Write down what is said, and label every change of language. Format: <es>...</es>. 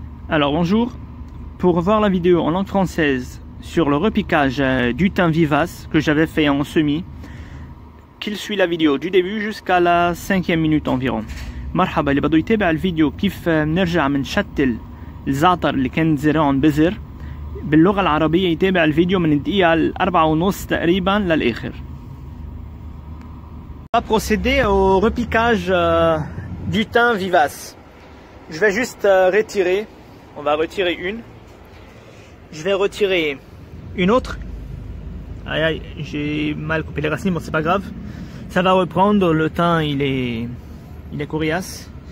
<fr>Alors bonjour, pour voir la vidéo en langue française sur le repiquage du thym vivace que j'avais fait en semis, qu'il suit la vidéo du début jusqu'à la cinquième minute environ.</fr> <ar>مرحبا اللي بده يتابع الفيديو كيف نرجع من شتل الزعتر اللي كان زرعهم بزر باللغة العربية يتابع الفيديو من الدقيقة الأربعة ونص تقريبا للآخر.</ar> <fr>Procéder au repiquage du thym vivace. Je vais juste retirer, on va retirer une. Je vais retirer une autre. Aïe aïe, j'ai mal coupé les racines, bon c'est pas grave. Ça va reprendre, le thym il est coriace.</fr>